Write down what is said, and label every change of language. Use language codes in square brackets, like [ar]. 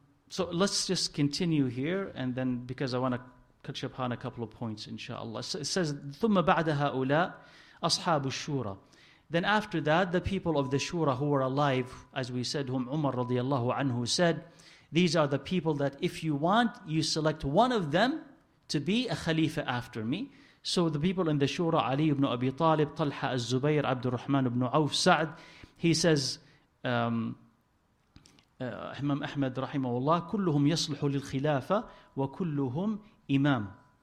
[en] So let's just continue here, and then because I want to touch upon a couple of points, inshallah. So it says, [ar] ثُمَّ بَعْدَ هَؤُلَاءَ أَصْحَابُ الشُّورَى. [en] Then after that, the people of the shura who were alive, as we said, whom Umar radiallahu anhu said, these are the people that if you want, you select one of them to be a khalifa after me. So the people in the shura, Ali ibn Abi Talib, Talha al-Zubayr, Abdul Rahman ibn Auf, Sa'd, he says, Imam Ahmad rahimahullah, [ar] كُلُّهُمْ يَصْلُحُ لِلْخِلَافَةِ وَكُلُّهُمْ [en] Imam.